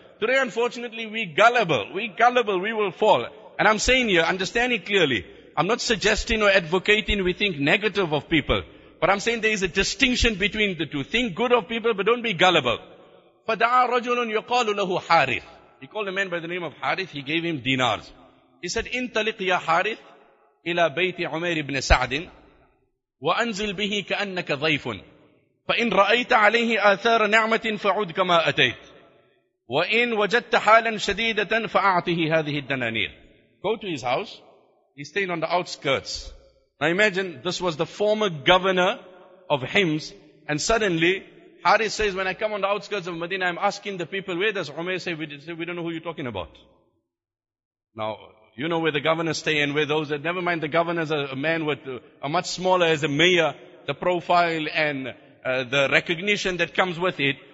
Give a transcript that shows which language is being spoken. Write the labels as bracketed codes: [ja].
[en] Today, unfortunately, we gullible, we will fall. And I'm saying here, understand it clearly. I'm not suggesting or advocating we think negative of people. But I'm saying there is a distinction between the two. Think good of people, but don't be gullible. [ar] فَدَعَى رَجُلٌ يُقَالُ لَهُ حَارِثٌ. [en] He called a man by the name of Harith. He gave him dinars. He said, [ar] إِنْتَلِقْ يَا حَارِثٌ إلى بيت عمير بن سعد وأنزل به كأنك ضيف فإن رأيت عليه آثار نعمة فعد كما أتيت وإن وجدت حالا شديدة فأعطه هذه الدنانير. [en] Go to his house. He's staying on the outskirts. Now imagine, this was the former governor of Hims, and suddenly Harith says, when I come on the outskirts of Medina, I'm asking the people, where does Umair say? We don't know who you're talking about. Now, you know where the governors stay and where those that, never mind the governors, a man with a much smaller as a mayor, the profile and the recognition that comes with it.